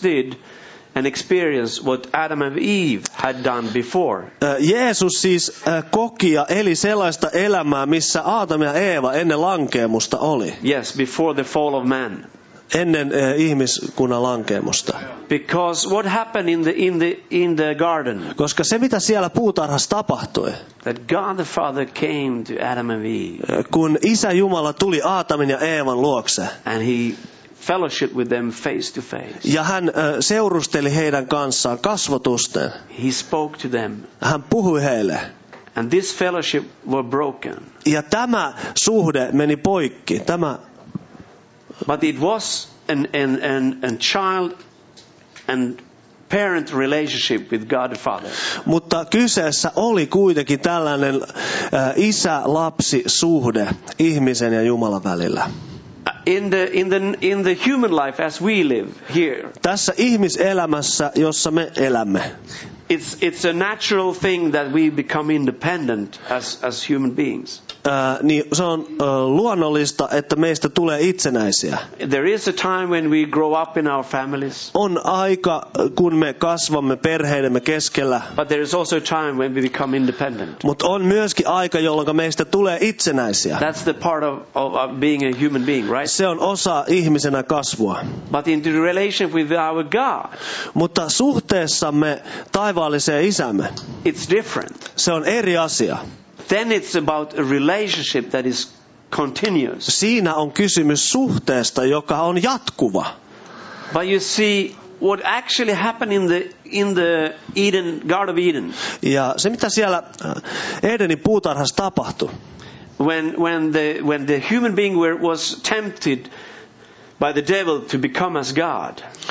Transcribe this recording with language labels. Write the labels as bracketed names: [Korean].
[English] did and experience what Adam and Eve had done before. [Finnish] Jeesus siis koki ja eli sellaista elämää, missä Aatam ja Eeva ennen lankeemusta oli. [English] Yes, before the fall of man. [Finnish] Ennen ihmiskunnan lankeemusta. [English] Because what happened in the garden? [Finnish] Koska se mitä siellä puutarhassa tapahtui. [English] That God the Father came to Adam and Eve. [Finnish] Kun isä Jumala tuli Aatamin ja Eevan luokse. [English] And he fellowship with them face to face. [Finnish] Ja hän seurusteli heidän kanssaan kasvotusten. [English] He spoke to them. [Finnish] Hän puhui heille. [English] And this fellowship were broken. [Finnish] Ja tämä suhde meni poikki. Tämä. [English] But it was an child and parent relationship with God the Father. [Finnish] Mutta kyseessä oli kuitenkin tällainen isä-lapsi suhde ihmisen ja Jumalan välillä. [English] In the human life as we live here. [Finnish] Tässä ihmiselämässä, jossa me elämme. [English] It's a natural thing that we become independent as human beings. [Finnish] Niin se on luonnollista, että meistä tulee itsenäisiä. [English] There is a time when we grow up in our families. [Finnish] On aika, kun me kasvamme perheidemme keskellä. [English] But there is also a time when we become independent. [Finnish] Mutta on myöskin aika, jolloin meistä tulee itsenäisiä. [English] That's the part of being a human being, right? [Finnish] Se on osa ihmisenä kasvua. [English] But in the relationship with our God. [Finnish] Mutta suhteessamme taivaalliseen isämme. [English] It's different. [Finnish] Se on eri asia. [English] Then it's about a relationship that is continuous. [Finnish] Siinä on kysymys suhteesta, joka on jatkuva. [English] But you see what actually happened in the Eden, Garden of Eden. [Finnish] Ja se mitä siellä Edenin puutarhassa tapahtui. [English] When the human being was tempted by the devil to become as God.